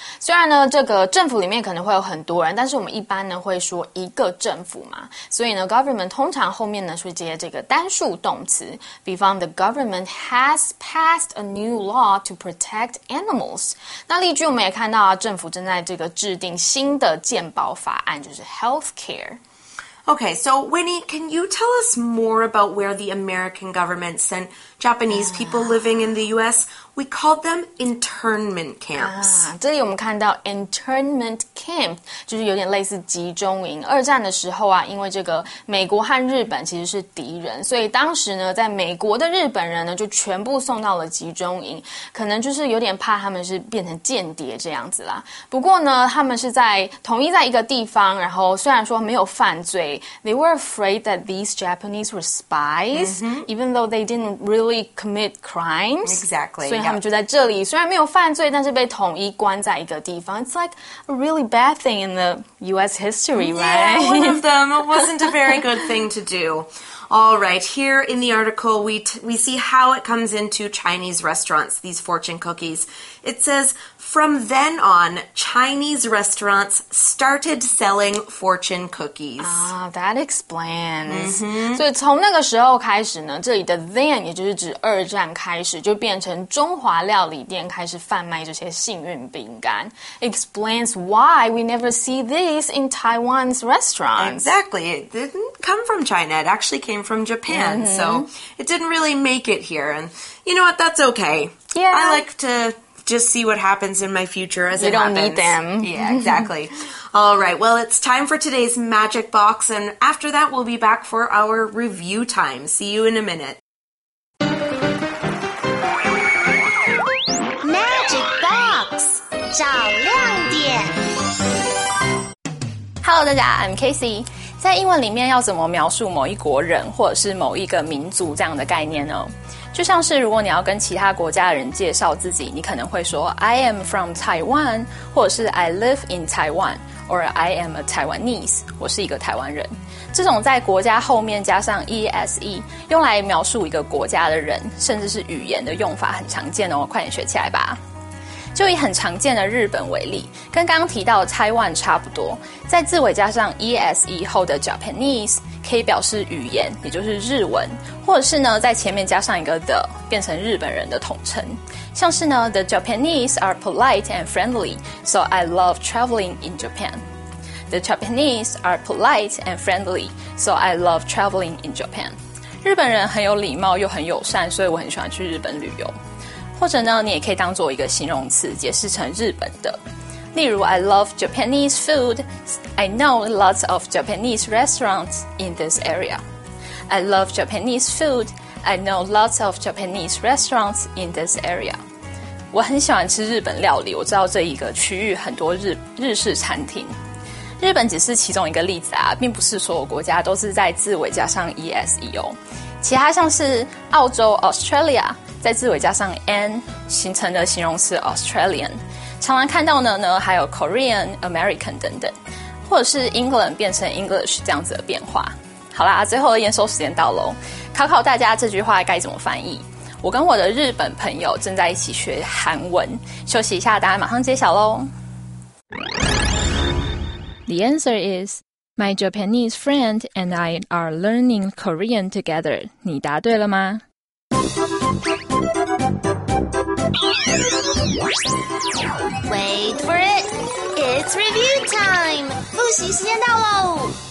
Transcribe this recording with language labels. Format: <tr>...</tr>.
<zh>虽然呢，这个政府里面可能会有很多人，但是我们一般呢会说一个政府嘛。所以呢 ，government 通常后面呢是接这个单数动词，比方</zh> <en>the government has passed a new law to protect animals。</en> <zh>那例句我们也看到啊，政府正在这个制定新的健保法案，就是 healthcare。</zh> <en>Okay, so Winnie, can you tell us more about where the American government sent Japanese people living in the U.S.? We called them internment camps.</en> <zh>这里我们看到 internment camp, 就是有点类似集中营。二战的时候啊，因为这个美国和日本其实是敌人，所以当时呢，在美国的日本人呢，就全部送到了集中营，可能就是有点怕他们是变成间谍这样子啦。不过呢，他们是在统一在一个地方，然后虽然说没有犯罪，</zh> <en>they were afraid that these Japanese were spies,、</en> <zh>mm-hmm.</zh> <en>even though they didn't really commit crimes. Exactly.</en> <zh>所以他们就在这里，虽然没有犯罪，但是被统一关在一个地方。</zh> <en>It's like a really bad thing in the U.S. history, right? Yeah, one of them. It wasn't a very good thing to do. All right, here in the article, we see how it comes into Chinese restaurants, these fortune cookies. It says, from then on, Chinese restaurants started selling fortune cookies. Ah, that explains. Mm-hmm.</en> <zh>所以从那个时候开始呢，这里的 then 也就是指二战开始，就变成中华料理店开始贩卖这些幸运饼干。</zh> <en>Explains why we never see these in Taiwan's restaurants. Exactly. It didn't come from China. It actually came from Japan. Mm-hmm. So it didn't really make it here. And you know what? That's okay. Yeah. I like to... just see what happens in my future as it happens. You don't need them. Yeah, exactly. All right, well, it's time for today's magic box, and after that, we'll be back for our review time. See you in a minute. Magic box!</en> <zh>找亮点</zh> <en>Hello, 大家 I'm Casey.</en> <zh>在英文里面要怎么描述某一国人或者是某一个民族这样的概念呢？就像是如果你要跟其他国家的人介绍自己，你可能会说</zh> <en>I am from Taiwan</en> <zh>或者是</zh> <en>I live in Taiwan or I am a Taiwanese</en> <zh>我是一个台湾人，这种在国家后面加上 ese 用来描述一个国家的人甚至是语言的用法很常见哦，快点学起来吧。就以很常见的日本为例，跟刚刚提到的 Taiwan 差不多，在字尾加上 ES 以后的 Japanese 可以表示语言，也就是日文，或者是呢在前面加上一个 the 变成日本人的统称，像是呢</zh> <en>The Japanese are polite and friendly, so I love traveling in Japan. The Japanese are polite and friendly, so I love traveling in Japan.</en> <zh>日本人很有礼貌又很友善，所以我很喜欢去日本旅游。或者呢，你也可以当作一个形容词，解释成日本的。例如 ，</zh> <en>I love Japanese food. I know lots of Japanese restaurants in this area. I love Japanese food. I know lots of Japanese restaurants in this area.</en> <zh>我很喜欢吃日本料理，我知道这一个区域很多日式餐厅。日本只是其中一个例子啊，并不是所有国家都是在字尾加上 ese 哦。其他像是澳洲 Australia。在字尾加上 n 形成的形容词 Australian， 常常看到呢还有 Korean、American 等等，或者是 England 变成 English 这样子的变化。好啦，最后的验收时间到喽，考考大家这句话该怎么翻译？我跟我的日本朋友正在一起学韩文，休息一下，答案马上揭晓喽。</zh> <en>The answer is my Japanese friend and I are learning Korean together。</en> <zh>你答对了吗？</zh> <en>Wait for it! It's review time!</en> <zh>复习时间到喽！</zh>